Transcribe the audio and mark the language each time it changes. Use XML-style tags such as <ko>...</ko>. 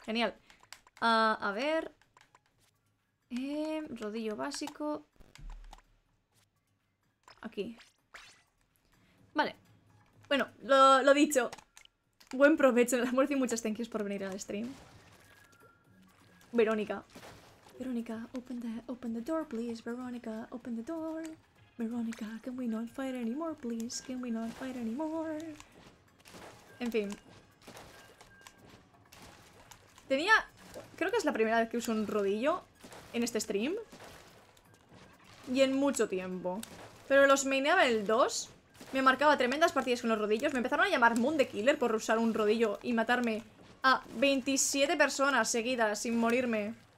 <es>Genial. A ver. Rodillo básico. Aquí. Vale. Bueno, lo dicho. Buen provecho en el almuerzo y muchas thank yous por venir al stream. Verónica.</es> <en>Verónica, open the door, please. Verónica, open the door. Verónica, can we not fight anymore, please? Can we not fight anymore?</en> <es>En fin. Tenía... Creo que es la primera vez que uso un rodillo en este stream. Y en mucho tiempo. Pero los maineaba en el 2. Me marcaba tremendas partidas con los rodillos. Me empezaron a llamar Moon the Killer por usar un rodillo y matarme a 27 personas seguidas sin morirme.</es>